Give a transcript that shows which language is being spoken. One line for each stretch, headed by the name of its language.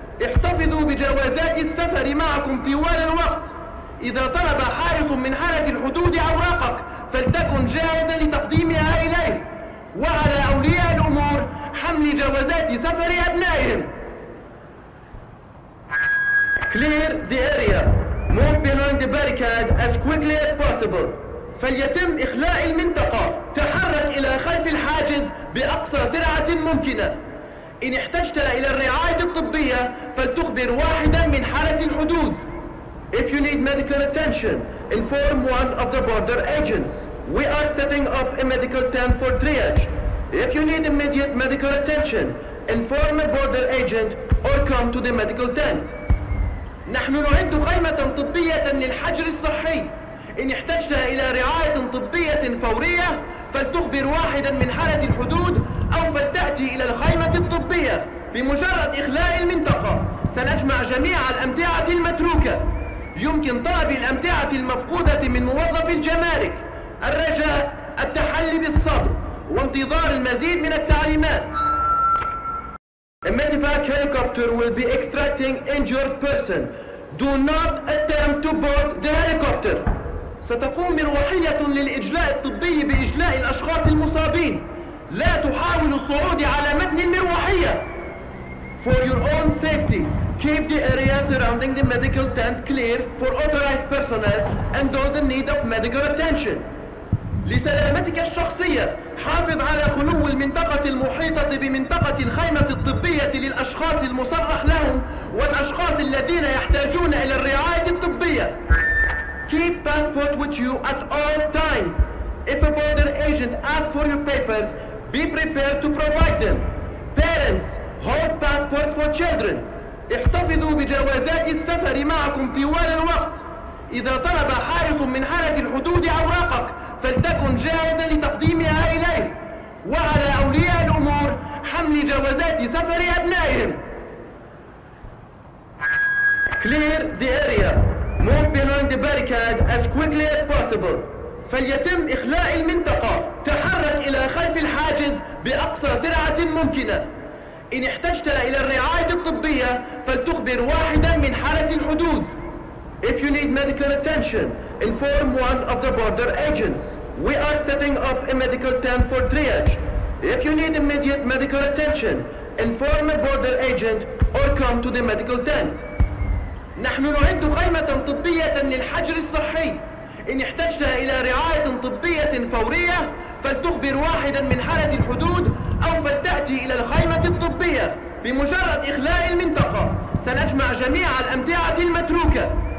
Arabic: احتفظوا بجوازات السفر معكم طوال الوقت. إذا طلب حارس من حرس الحدود أوراقك فلتكن جاهزا لتقديمها إليه. وعلى أولياء الأمور حمل جوازات سفر أبنائهم.
English: Clear the area. Move behind the barricade as quickly as possible.
Arabic: فليتم إخلاء المنطقة. تحرك إلى خلف الحاجز بأقصى سرعة ممكنة. إن احتجت إلى الرعاية الطبية فلتخبر واحدا من حرس الحدود.
English: If you need medical attention, inform one of the border agents. We are setting up a medical tent for triage. If you need immediate medical attention, inform a border agent or come to the medical tent.
Arabic: نحن نعد خيمة طبية للحجر الصحي. إن احتجت إلى رعاية طبية فورية فلتخبر واحدا من حرس الحدود أو فلتأتي إلى الخيمة الطبية. بمجرد إخلاء المنطقة سنجمع جميع الأمتعة المتروكة. يمكن طلب الأمتعة المفقودة من موظف الجمارك. الرجاء التحلي بالصبر وانتظار المزيد من التعليمات.
English: Medevac helicopter will be extracting injured person. Do not attempt to board the helicopter.
Arabic: ستقوم مروحية للإجلاء الطبي بإجلاء الأشخاص المصابين. لا تحاول الصعود على متن المروحية.
English: For your own safety, keep the area surrounding the medical tent clear for authorized personnel and those in need of medical attention.
Arabic: لسلامتك الشخصية، حافظ على خلو المنطقة المحيطة بمنطقة الخيمة الطبية للأشخاص المصرح لهم والأشخاص الذين يحتاجون إلى الرعاية الطبية.
English: Keep passport with you at all times. If a border agent asks for your papers, be prepared to provide them. Parents, hold passport for children.
Arabic: احتفظوا بجوازات السفر معكم طوال الوقت. إذا طلب حارس من حرس الحدود أوراقك، فلتكن جاهزا لتقديمها إليه. وعلى أولياء الأمور حمل جوازات سفر أبنائهم.
English: Clear the area. Move behind the barricade as quickly as possible.
Arabic: فليتم إخلاء المنطقة. تحرك إلى خلف الحاجز بأقصى سرعة ممكنة. إن احتجت إلى الرعاية الطبية فلتخبر واحدا من حرس الحدود.
English: If you need medical attention, inform one of the border agents. We are setting up a medical tent for triage. If you need immediate medical attention, inform a border agent or come to the medical tent.
Arabic: نحن نعد خيمة طبية للحجر الصحي. إن احتجت إلى رعاية طبية فورية فلتخبر واحدا من حرس الحدود أو فلتأتي إلى الخيمة الطبية. بمجرد إخلاء المنطقة سنجمع جميع الأمتعة المتروكة.